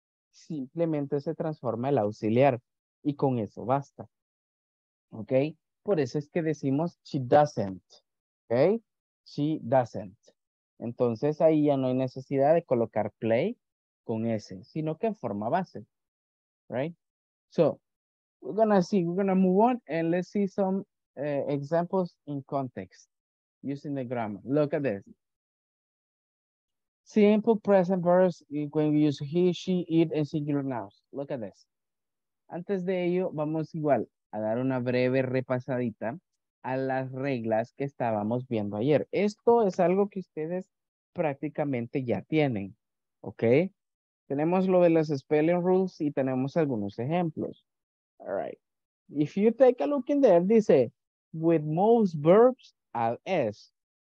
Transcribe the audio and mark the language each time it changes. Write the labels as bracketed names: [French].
[Spanish] Simplemente se transforma el auxiliar y con eso basta. ¿Ok? Por eso es que decimos [English] she doesn't. [Spanish] ¿Ok? She doesn't. Entonces, ahí ya no hay necesidad de colocar play con ese, sino que en forma base, right? [English] So, we're gonna move on and let's see some examples in context using the grammar. Look at this. Simple present verbs when we use he, she, it and singular nouns. Look at this. [Spanish] Antes de ello, vamos igual a dar una breve repasadita a las reglas que estábamos viendo ayer. Esto es algo que ustedes prácticamente ya tienen, okay? Tenemos lo de las spelling rules y tenemos algunos ejemplos. [English] All right. If you take a look in there, dice, with most verbs, add S.